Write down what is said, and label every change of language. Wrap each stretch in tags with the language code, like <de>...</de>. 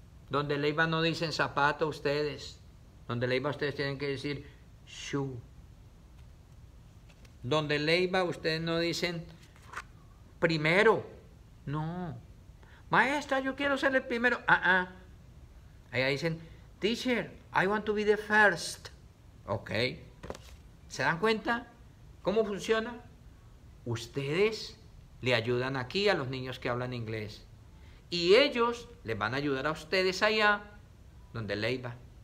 <es>Donde Leiva no dicen zapato ustedes. Donde Leiva ustedes tienen que decir shoe. Donde Leiva ustedes no dicen primero. No. Maestra, yo quiero ser el primero. Allá dicen,</es> <en>teacher, I want to be the first. Ok.</en> <es>¿Se dan cuenta cómo funciona? Ustedes le ayudan aquí a los niños que hablan inglés. Y ellos les van a ayudar a ustedes allá donde Leiva.</es>